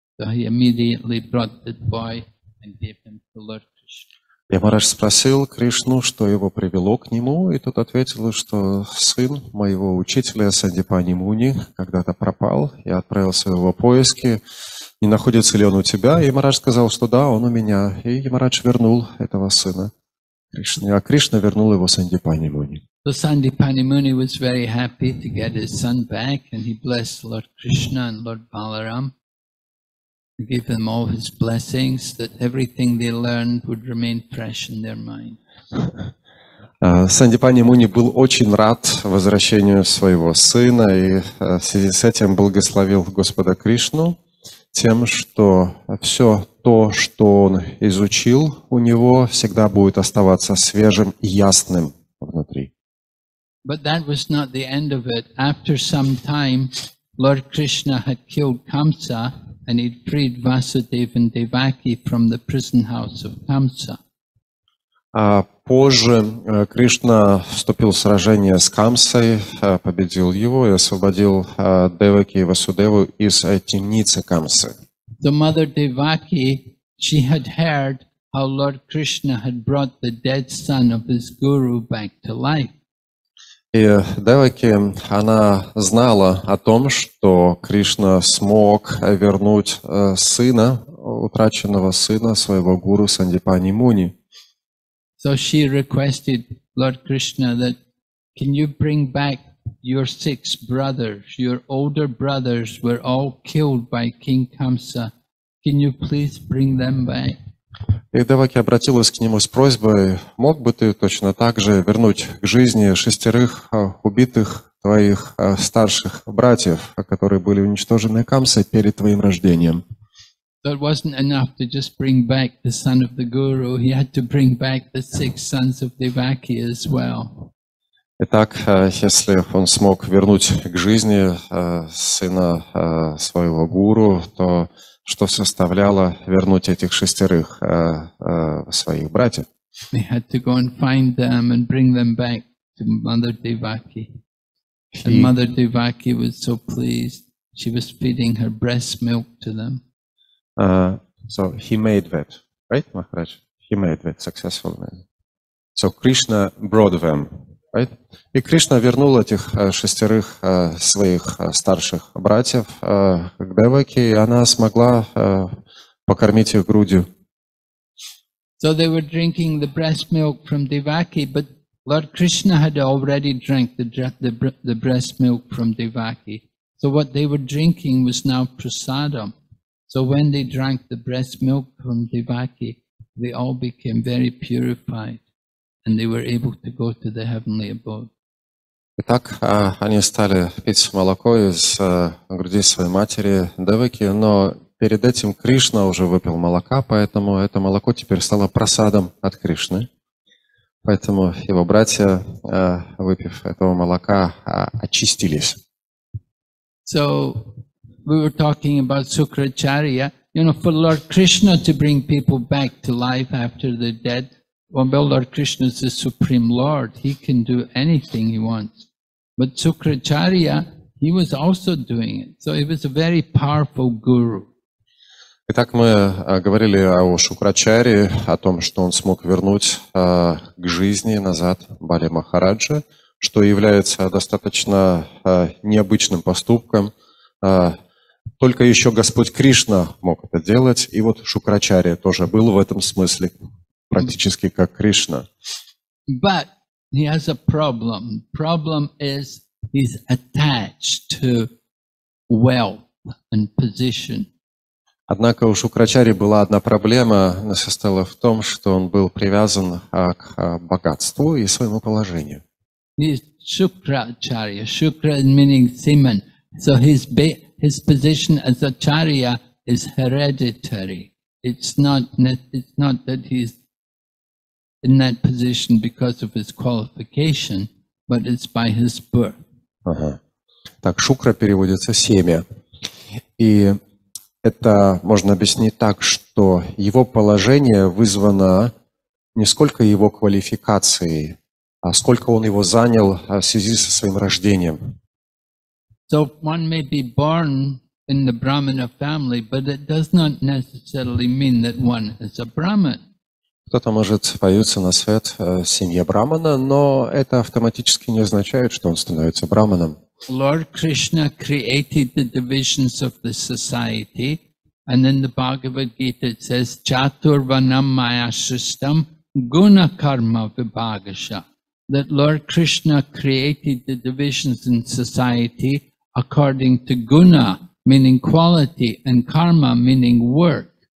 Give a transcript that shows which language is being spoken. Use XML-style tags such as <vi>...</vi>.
<en>So he immediately brought the boy and gave him to Lord Krishna.</en> <ru>Ямарадж спросил Кришну, что его привело к нему, и тот ответил, что сын моего учителя Сандипани Муни когда-то пропал, я отправился в его поиски, не находится ли он у тебя? Ямарадж сказал, что да, он у меня, и Ямарадж вернул этого сына Кришны, а Кришна вернул его Сандипани Муни.</ru> <en>So Сандипани Муни was very happy to get his son back, and he blessed Lord Krishna and Lord Balaram, to give them all his blessings, that everything they learned would remain fresh in their mind.</en> <ru>Сандипани Муни был очень рад возвращению своего сына и в связи с этим благословил Господа Кришну тем, что все то, что он изучил у него, всегда будет оставаться свежим и ясным внутри.</ru> <en>But that was not the end of it. After some time, Lord Krishna had killed Kamsa and he'd freed Vasudev and Devaki from the prison house of Kamsa.</en> <ru>Позже Кришна вступил в сражение с Камсой, победил его и освободил Деваки и Васудеву из темницы Камсы.</ru> <en>The mother Devaki, she had heard how Lord Krishna had brought the dead son of his guru back to life.</en> <ru>И Деваки, она знала о том, что Кришна смог вернуть сына, утраченного сына своего гуру Сандипани Муни.</ru> <en>So she requested Lord Krishna that, can you bring back your six brothers? Your older brothers were all killed by King Kamsa. Can you please bring them back?</en> <ru>И Деваки обратилась к нему с просьбой, мог бы ты точно так же вернуть к жизни шестерых убитых твоих старших братьев, которые были уничтожены Камсой перед твоим рождением?</ru> <en>So it wasn't enough to just bring back the son of the guru, he had to bring back the six sons of Devaki as well.</en> <ru>Итак, если он смог вернуть к жизни сына своего гуру, то что составляло вернуть этих шестерых своих братьев?</ru> <en>He had to go and find them and bring them back to Mother Devaki. And Mother Devaki was so pleased, she was feeding her breast milk to them. So he made that, right, Maharaj? He made that successful. So Krishna brought them, right?</en> <ru>И Кришна вернул этих шестерых своих старших братьев к Деваке, и она смогла покормить их грудью.</ru> <en>So they were drinking the breast milk from Devaki, but Lord Krishna had already drank the breast milk from Devaki. So what they were drinking was now prasadam. So when they drank the breast milk from Devaki, they all became very purified, and they were able to go to the heavenly abode.</en> <ru>Итак, они стали пить молоко из груди своей матери Деваки, но перед этим Кришна уже выпил молока, поэтому это молоко теперь стало прасадом от Кришны. Поэтому его братья, выпив этого молока, очистились.</ru> <en>So we were talking about Sukracharya. You know, for Lord Krishna to bring people back to life after they're dead, well, Lord Krishna is the Supreme Lord. He can do anything he wants. But Sukracharya, he was also doing it. So he was a very powerful guru.</en> <ru>Итак, мы говорили о Шукрачарье, о том, что он смог вернуть к жизни назад Бали Махараджа, что является достаточно необычным поступком. Только еще Господь Кришна мог это делать, и вот Шукрачарья тоже был в этом смысле практически как Кришна.</ru> <en>But he has a problem. Problem is he's attached to wealth and position.</en> <ru>Однако у Шукрачарьи была одна проблема, она состояла в том, что он был привязан к богатству и своему положению.</ru> <en>He's Шукрачарья. Шукра meaning semen. So his position as acharya is hereditary. It's not that he's in that position because of his qualification, but it's by his birth. Ага.</en> <ru>Так, шукра переводится семя. И это можно объяснить так, что его положение вызвано не сколько его квалификацией, а сколько он его занял в связи со своим рождением.</ru> <en>So one may be born in the brahmana family, but it does not necessarily mean that one is a brahman.</en> <ru>Кто-то может появиться на свет в семье брахмана, но это автоматически не означает, что он становится брахманом.</ru> <en>Lord Krishna created the divisions of the society, and in the Bhagavad Gita it says,</en> <sa>"Chatur vanam maya shristam guna karma vibhagasha,</sa> <en>that Lord Krishna created the divisions in society according to guna, meaning quality, and karma, meaning work.</en>